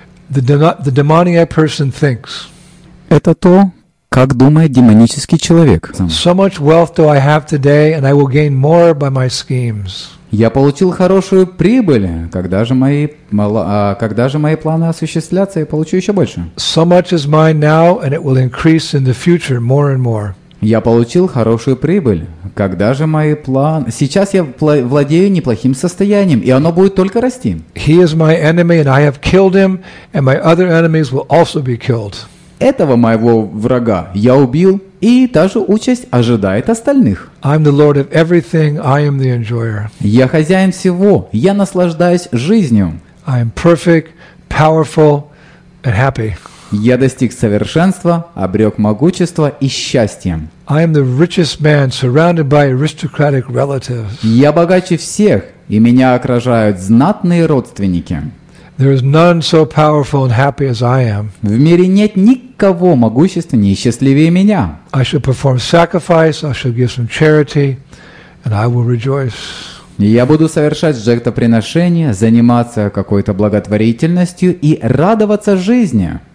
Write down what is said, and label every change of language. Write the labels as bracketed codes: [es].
[en] The demoniac person thinks. [ru] Это то, как думает демонический человек. [en] So much wealth do I have today, and I will gain more by my schemes. [ru] Я получил хорошую прибыль, когда же мои планы осуществятся, я получу еще больше. [en] So much is mine now, and it will increase in the future more and more. [ru] Я получил хорошую прибыль, когда же мои планы... Сейчас я владею неплохим состоянием, и оно будет только расти. [en] He is my enemy, and I have killed him, and my other enemies will also be killed. [ru] Этого моего врага я убил, и та же участь ожидает остальных. [en] I'm the lord of everything, I am the enjoyer. [ru] Я хозяин всего, я наслаждаюсь жизнью. [en] I am perfect, powerful, and happy. [ru] Я достиг совершенства, обрек могущество и счастье. [en] I am the richest man surrounded by aristocratic relatives. [ru] Я богаче всех, и меня окружают знатные родственники. [en] There is none so powerful and happy as I am. [ru] В мире нет никого могущественнее и счастливее меня. [en] I shall perform sacrifice, I shall give some charity, and I will rejoice. [ru] Я буду совершать жертвоприношения, заниматься какой-то благотворительностью и радоваться жизни.